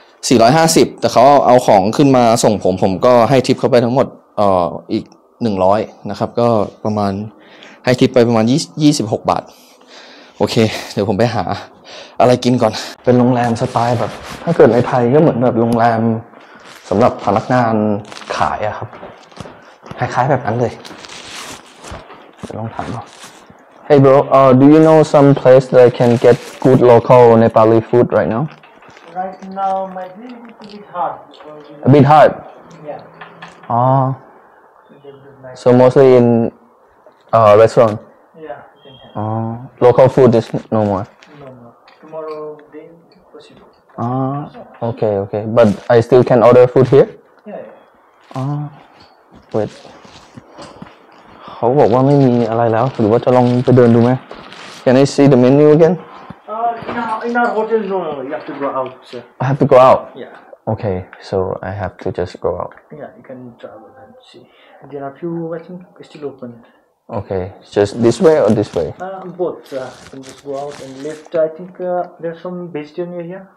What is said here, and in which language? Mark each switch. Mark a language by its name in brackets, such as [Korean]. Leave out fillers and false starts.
[Thai] 450แต่เขาเอาของขึ้นมาส่งผมก็ให้ทิปเขาไปทั้งหมดอีก100นะครับก็ประมาณให้ทิปไปประมาณ26บาทโอเคเดี๋ยวผมไปหาอะไรกินก่อนเป็นโรงแรมสไตล์แบบถ้าเกิดในไทยก็เหมือนแบบโรงแรมสำหรับพนักงานขายอะครับคล้ายๆแบบนั้นเลยเดี๋ยวลองถามก่อน [English] Hey bro, do you know some place that I can get good local Nepali food right now? Right now, my dream is a bit hard. A bit hard? Yeah. Oh. So mostly in restaurant? Yeah. Oh. Local food is no more? No more. Tomorrow, then possible. Ah, okay, okay. But I still can order food here? Yeah. Wait. [Thai] เขาบอกว่าไม่มีอะไรแล้วหรือว่าจะลองไปเดินดูไหม [English] Can I see the menu again? In our hotel room, you have to go out, sir. I have to go out? Yeah. Okay, so I have to just go out. Yeah, you can travel and see. There are few, I think, still open. Okay, just this way or this way? Both. You can just go out and left, I think, there's some vegetarian area here.